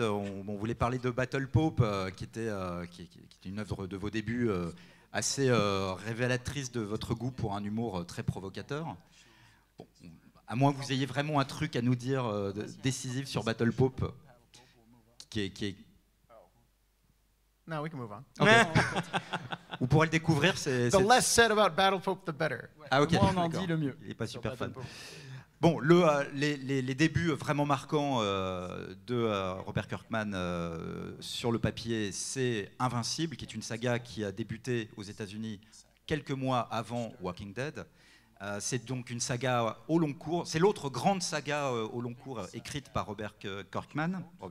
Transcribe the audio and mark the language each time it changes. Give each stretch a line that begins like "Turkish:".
French: On voulait parler de Battle Pope, qui était une œuvre de vos débuts assez révélatrice de votre goût pour un humour très provocateur. Bon, à moins que vous ayez vraiment un truc à nous dire décisif sur Battle Pope, qui est...
English: Non, we can move on.
French: Okay. Vous pourrez le découvrir.
English: The less said about Battle Pope, the better.
French: Ah, ok. Moins on en dit, le mieux. Il est pas super fan. Bon, les débuts vraiment marquants de Robert Kirkman sur le papier, c'est Invincible, qui est une saga qui a débuté aux États-Unis quelques mois avant Walking Dead. C'est donc une saga au long cours. C'est l'autre grande saga au long cours écrite par Robert Kirkman.